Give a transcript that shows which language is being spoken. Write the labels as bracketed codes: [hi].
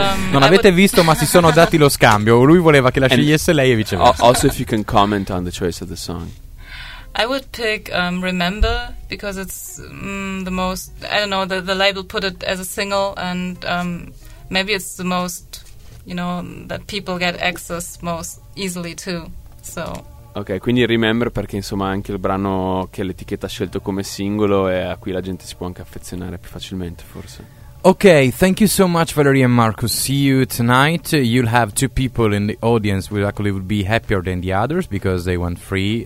[it] Non avete visto, ma si sono dati lo scambio. Lui voleva che la scegliesse lei e viceversa. [en] Also, if you can comment on the choice of the song. I would pick Remember, because it's the most... I don't know, the label put it as a single, and maybe it's the most... you know, that people get access most easily to, so... [it] Ok, quindi Remember, perché insomma anche il brano che l'etichetta ha scelto come singolo è a cui la gente si può anche affezionare più facilmente, forse. [en] Okay, thank you so much, Valerie and Marcus. See you tonight. You'll have two people in the audience who actually will be happier than the others because they went free.